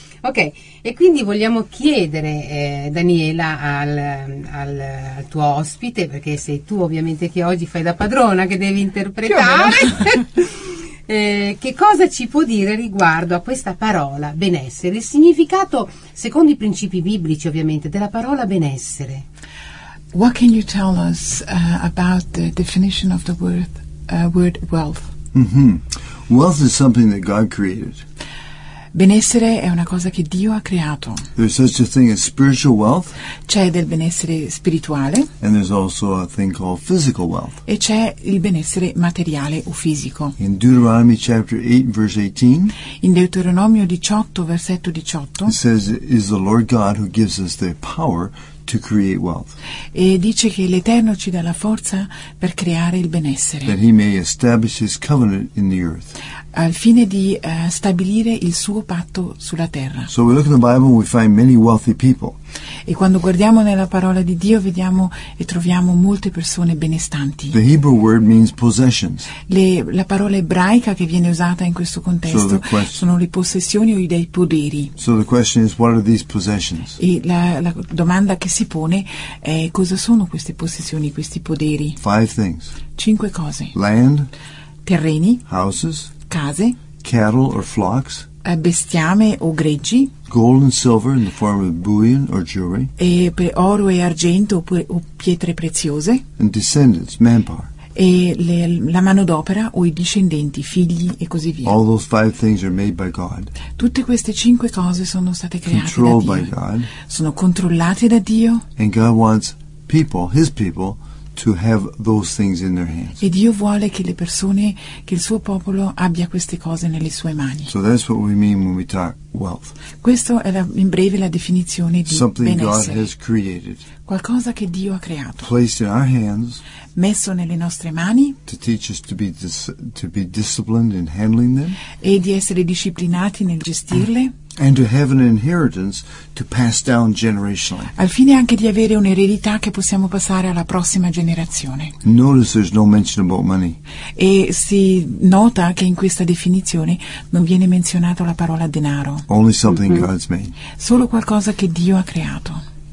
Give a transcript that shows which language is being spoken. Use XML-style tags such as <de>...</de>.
<it>Ok, e quindi vogliamo chiedere, Daniela, al tuo ospite, perché sei tu ovviamente che oggi fai da padrona, che devi interpretare, che cosa ci può dire riguardo a questa parola benessere, il significato secondo i principi biblici ovviamente della parola benessere.</it> <en>What can you tell us about the definition of the word wealth? Mm-hmm. Wealth is something that God created.</en> <it>Benessere è una cosa che Dio ha creato.</it> <en>There's such a thing as spiritual wealth.</en> <it>C'è del benessere spirituale.</it> <en>And there's also a thing called physical wealth.</en> <it>E c'è il benessere materiale o fisico.</it> <en>In Deuteronomy chapter 8 verse 18.</en> <it>In Deuteronomio 18 versetto 18.</it> <en>It says, "Is the Lord God who gives us the power to create wealth."</en> <it>E dice che l'Eterno ci dà la forza per creare il benessere.</it> <en>That He may establish His covenant in the earth.</en> <it>Al fine di stabilire il suo patto sulla terra.</it> <en>So we look in the Bible, we find many wealthy people.</en> <it>E quando guardiamo nella parola di Dio vediamo e troviamo molte persone benestanti.</it> <en>The Hebrew word means possessions.</en> <it>La parola ebraica che viene usata in questo contesto sono le possessioni o i dei poderi.</it> <en>So the question is, what are these possessions?</en> <it>E la domanda che si pone è cosa sono queste possessioni, questi poderi?</it> <en>Five things.</en> <it>Cinque cose.</it> <en>Land.</en> <it>Terreni.</it> <en>Houses.</en> <it>Case,</it> <en>cattle or flocks,</en> <it>bestiame o greggi,</it> <en>gold and silver in the form of bullion or jewelry,</en> <it>e per oro e argento o pietre preziose,</it> <en>and descendants, manpower,</en> <it>e la manodopera o i discendenti, figli e così via.</it> <en>All those five things are made by God.</en> <it>Tutte queste cinque cose sono state create</it> <en>controlled</en> <it>da Dio.</it> <en>By God.</en> <it>Sono controllate da Dio.</it> <en>And God wants people, His people, to have those things in their hands.</en> <it>E Dio vuole che le persone, che il suo popolo abbia queste cose nelle sue mani.</it> <en>So that's what we mean when we talk wealth.</en> <it>Questo è in breve la definizione di</it> <en>something</en> <it>benessere.</it> <en>God has created.</en> <it>Qualcosa che Dio ha creato.</it> <en>Placed in our hands.</en> <it>Messo nelle nostre mani.</it> <en>To teach us to be to be disciplined in handling them.</en> <it>E di essere disciplinati nel gestirle.</it> <en>And to have an inheritance to pass down generationally.</en> <it>Al fine anche di avere un'eredità che possiamo passare alla prossima generazione.</it> <en>Notice there's no mention about money.</en> <it>E si nota che in questa definizione non viene menzionata la parola denaro.</it> <en>Only something mm-hmm. God's made.</en> <it>Solo qualcosa che Dio ha creato.</it>